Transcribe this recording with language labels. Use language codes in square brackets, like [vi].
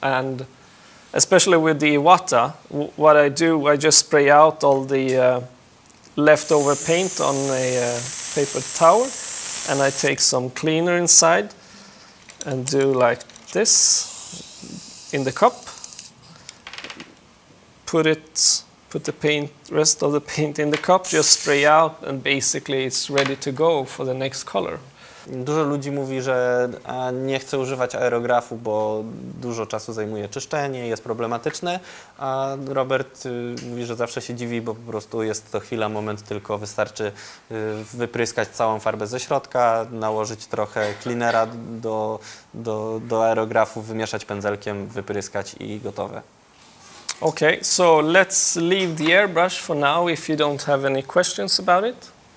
[en] And especially with the Iwata, what I do, I just spray out all the leftover paint on a paper towel, and I take some cleaner inside and do like this in the cup. Put the paint, rest of the paint in the cup, just spray out, and basically it's ready to go for the next color. [pl] Dużo ludzi mówi, że nie chce używać aerografu, bo dużo czasu zajmuje czyszczenie, jest problematyczne. A Robert mówi, że zawsze się dziwi, bo po prostu jest to chwila, moment, tylko wystarczy wypryskać całą farbę ze środka, nałożyć trochę cleanera do aerografu, wymieszać pędzelkiem, wypryskać i gotowe. [en] Okay, so let's leave the airbrush for now if you don't have any questions about it.